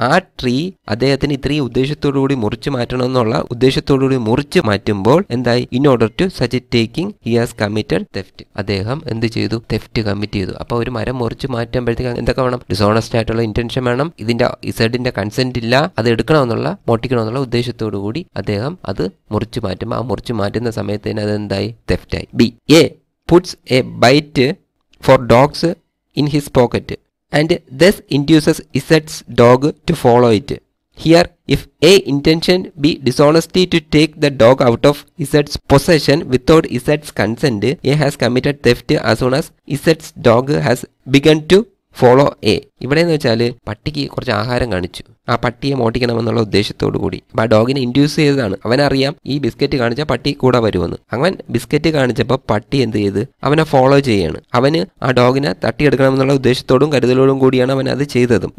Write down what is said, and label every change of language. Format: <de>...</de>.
<ml>ആ ട്രീ അദ്ദേഹത്തിന് ഇത്രയും ഉദ്ദേശത്തോടുകൂടി മുറിച്ചു മാറ്റണമെന്നുള്ള ഉദ്ദേശത്തോടുകൂടി മുറിച്ചു മാറ്റുമ്പോൾ എന്തായി,</ml> <en>In order to such taking he has committed theft.</en> <ml>അദ്ദേഹം എന്ത് ചെയ്തു, തെഫ്റ്റ് കമ്മിറ്റ് ചെയ്തു. അപ്പോൾ ഒരു മരം മുറിച്ചു മാറ്റുമ്പോഴത്തേക്ക് എന്തൊക്കെ വേണം, ഡിസോണസ്റ്റ് ആയിട്ടുള്ള ഇന്റൻഷൻ വേണം, ഇതിന്റെ ഇസെഡിന്റെ കൺസെന്റ് ഇല്ല, അത് എടുക്കണമെന്നുള്ള മോട്ടിക്കണമെന്നുള്ള ഉദ്ദേശത്തോടുകൂടി അദ്ദേഹം അത് മുറിച്ചു മാറ്റുമ്പോൾ ആ മുറിച്ചു മാറ്റുന്ന സമയത്തേന് അതെന്തായി, തെഫ്റ്റായി.</ml> <en>B, A puts a bite for dogs in his pocket and thus induces Izzet's dog to follow it. Here, if A intention be dishonesty to take the dog out of Izzet's possession without Izzet's consent, A has committed theft as soon as Izzet's dog has begun to follow A.</en> <ml>ഇവിടെ എന്ന് വെച്ചാൽ പട്ടിക്ക് കുറച്ച് ആഹാരം കാണിച്ചു, ആ പട്ടിയെ മോട്ടിക്കണമെന്നുള്ള ഉദ്ദേശത്തോടു കൂടി അപ്പം ആ ഡോഗിനെ ഇൻഡ്യൂസ് ചെയ്തതാണ്. അവനറിയാം ഈ ബിസ്ക്കറ്റ് കാണിച്ചാൽ പട്ടി കൂടെ വരുമെന്ന്. അവൻ ബിസ്ക്കറ്റ് കാണിച്ചപ്പോൾ പട്ടി എന്ത് ചെയ്ത്, അവനെ ഫോളോ ചെയ്യാണ്. അവന് ആ ഡോഗിനെ തട്ടിയെടുക്കണമെന്നുള്ള ഉദ്ദേശത്തോടും കരുതലോടും കൂടിയാണ് അവൻ അത് ചെയ്തതും.</ml>